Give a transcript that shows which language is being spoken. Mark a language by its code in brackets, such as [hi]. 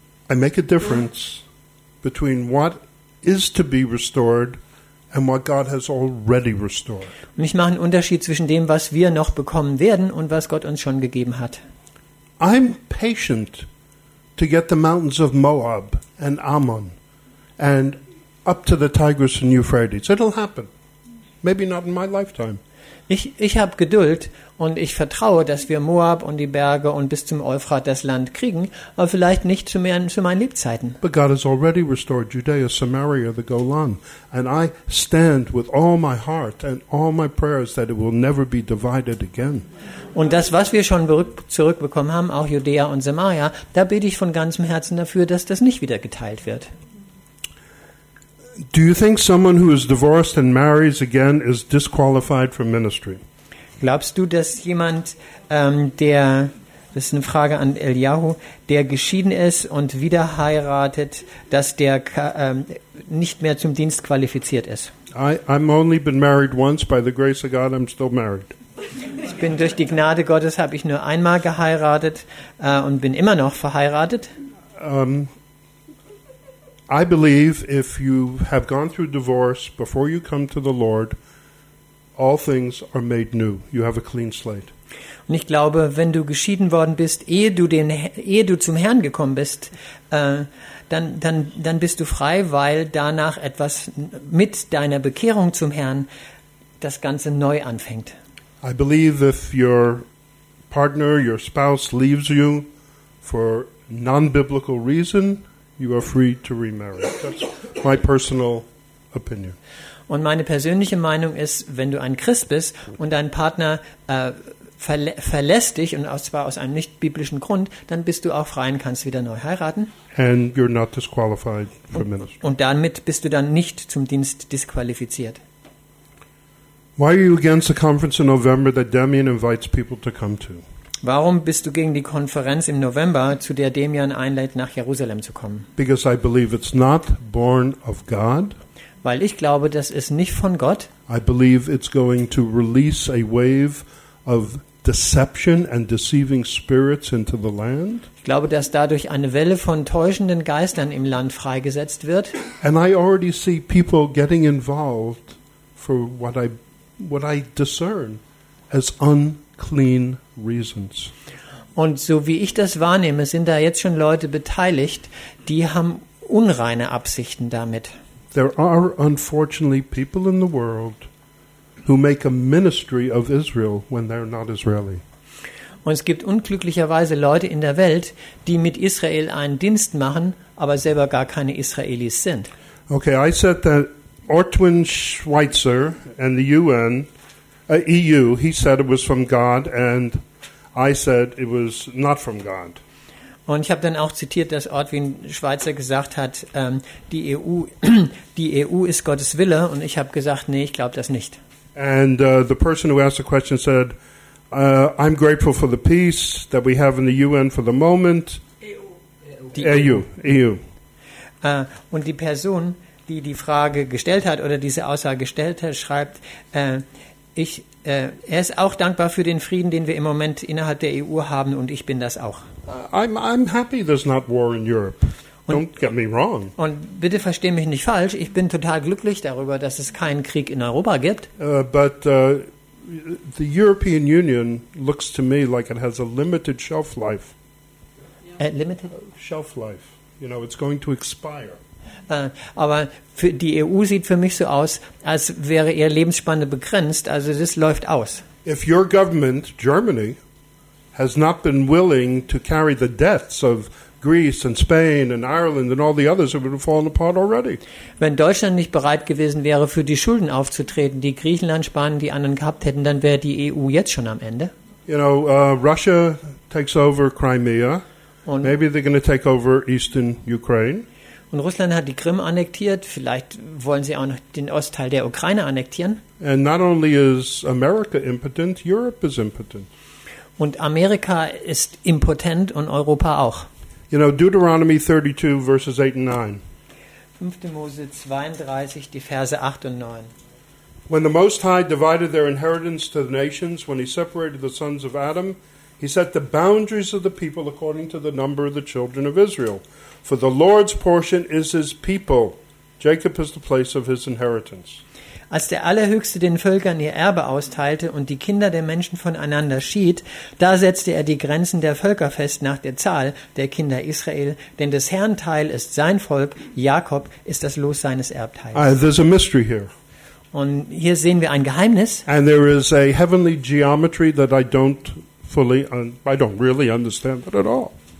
[en] I personally make a difference between what is to be restored and what God has already restored. [de] Und ich mache einen Unterschied zwischen dem, was wir noch bekommen werden, und was Gott uns schon gegeben hat. [en] I'm patient to get the mountains of Moab and Ammon and up to the Tigris and Euphrates. It'll happen. Maybe not in my lifetime. [de] Ich habe Geduld und ich vertraue, dass wir Moab und die Berge und bis zum Euphrat das Land kriegen, aber vielleicht nicht zu meinen Lebzeiten. [en] But God has already restored Judea, Samaria, the Golan, and I stand with all my heart and all my prayers that it will never be divided again. [de] Und das, was wir schon zurückbekommen haben, auch Judäa und Samaria, da bete ich von ganzem Herzen dafür, dass das nicht wieder geteilt wird. [en] Do you think someone who is divorced and marries again is disqualified from ministry? [de] Glaubst du, dass jemand, der, das ist eine Frage an Eliyahu, der geschieden ist und wieder heiratet, dass der nicht mehr zum Dienst qualifiziert ist? [en] I've only been married once. By the grace of God, I'm still married. [de] Ich bin durch die Gnade Gottes, habe ich nur einmal geheiratet und bin immer noch verheiratet. [en] I believe if you have gone through divorce before you come to the Lord, all things are made new. You have a clean slate. [de] Und ich glaube, wenn du geschieden worden bist, ehe du zum Herrn gekommen bist, dann bist du frei, weil danach etwas mit deiner Bekehrung zum Herrn das Ganze neu anfängt. [en] I believe if your partner, your spouse leaves you for non-biblical reason, you are free to remarry. That's my personal opinion. [de] Und meine persönliche Meinung ist, wenn du ein Christ bist und dein Partner verlässt dich, und zwar aus einem nicht biblischen Grund, dann bist du auch frei und kannst wieder neu heiraten. [en] And you're not disqualified for ministry. [de] Und damit bist du dann nicht zum Dienst disqualifiziert. [en] Why are you against the conference in November that Damian invites people to come to? [de] Warum bist du gegen die Konferenz im November, zu der Damian einlädt, nach Jerusalem zu kommen? [en] Because I believe it's not born of God. [de] Weil ich glaube, das ist nicht von Gott. [en] I believe it's going to release a wave of deception and deceiving spirits into the land. [de] Ich glaube, dass dadurch eine Welle von täuschenden Geistern im Land freigesetzt wird. [en] And I already see people getting involved for what I discern as unclean reasons. [de] Und so wie ich das wahrnehme, sind da jetzt schon Leute beteiligt, die haben unreine Absichten damit. [en] There are unfortunately people in the world who make a ministry of Israel when they're not Israeli. [de] Und es gibt unglücklicherweise Leute in der Welt, die mit Israel einen Dienst machen, aber selber gar keine Israelis sind. [en] Okay, I said that Ortwin Schweitzer and the UN, EU, he said it was from God, and I said it was not from God. [de] Und ich habe dann auch zitiert, dass Ortwin Schweitzer gesagt hat, die EU ist Gottes Wille, und ich habe gesagt, nee, ich glaube das nicht. [en] And the person who asked the question said, I'm grateful for the peace that we have in the UN for the moment. EU. [de] Und die Person, die Frage gestellt hat oder diese Aussage gestellt hat, schreibt, er ist auch dankbar für den Frieden, den wir im Moment innerhalb der EU haben, und ich bin das auch. [en] I'm happy there's not war in Europe. Don't get me wrong. [de] Und bitte verstehe mich nicht falsch, ich bin total glücklich darüber, dass es keinen Krieg in Europa gibt. [en] But the European Union looks to me like it has a limited shelf life. Yeah. Limited? Shelf life. You know, it's going to expire. [de] Aber für die EU sieht für mich so aus, als wäre ihre Lebensspanne begrenzt, also das läuft aus. [en] If your government, Germany, has not been willing to carry the debts of Greece and Spain and Ireland and all the others, it would have fallen apart already. [de] Wenn Deutschland nicht bereit gewesen wäre, für die Schulden aufzutreten, die Griechenland, Spanien, die anderen gehabt hätten, dann wäre die EU jetzt schon am Ende. [en] You know, Russia takes over Crimea. Und maybe they're going to take over eastern Ukraine. [de] Und Russland hat die Krim annektiert, vielleicht wollen sie auch noch den Ostteil der Ukraine annektieren. [en] And not only is America impotent, Europe is impotent. [de] Und Amerika ist impotent und Europa auch. [en] You know, Deuteronomy 32, verses 8 and 9. [de] 5. Mose 32, die Verse 8 und 9. [en] When the Most High divided their inheritance to the nations, when he separated the sons of Adam, he set the boundaries of the people according to the number of the children of Israel. For the Lord's portion is his people. Jacob is the place of his inheritance. [de] Als der Allerhöchste den Völkern ihr Erbe austeilte und die Kinder der Menschen voneinander schied, da setzte er die Grenzen der Völker fest nach der Zahl der Kinder Israel, denn des Herrn Teil ist sein Volk, Jakob ist das Los seines Erbteils. [en] There's a mystery here. [de] Und hier sehen wir ein Geheimnis. [en] And there is a heavenly geometry that I don't really understand it at all.